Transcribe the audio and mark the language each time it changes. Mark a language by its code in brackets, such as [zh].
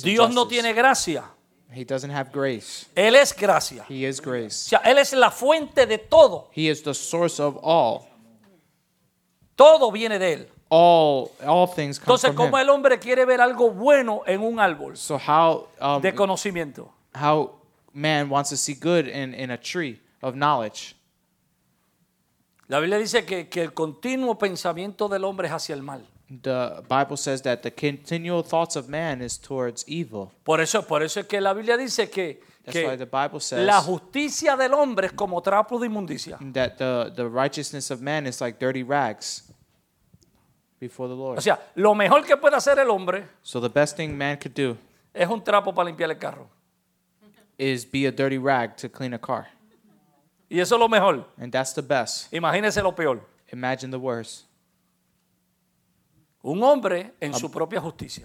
[es] Dios no tiene gracia. [en] He doesn't have grace. [es] Él es gracia. [en] He is grace. [es] O sea, él es la fuente de todo. [en] He is the source of all. [es] Todo viene de él. [en] All things come [es] Entonces, [en] from [es] ¿cómo [en] him. [es] El hombre quiere ver algo bueno en un árbol? [en] So how [es] de conocimiento. [en] How man wants to see good in a tree. Of knowledge. [es] La Biblia dice que el continuo pensamiento del hombre es hacia el mal. [en] The Bible says that the continual thoughts of man is towards evil. [es] Por eso es que la Biblia dice que [en] that's why the Bible says [es] la justicia del hombre es como trapo de inmundicia. [en] That the righteousness of man is like dirty rags before the Lord. [es] O sea, lo mejor que puede hacer el hombre, [en] so the best thing man could do [es] es un trapo para limpiar el carro. [en] Is be a dirty rag to clean a car. [es] Y eso es lo mejor. [en] And that's the best. [es] Imagínese lo peor. [en] Imagine the worst. [es] Un hombre en su propia justicia.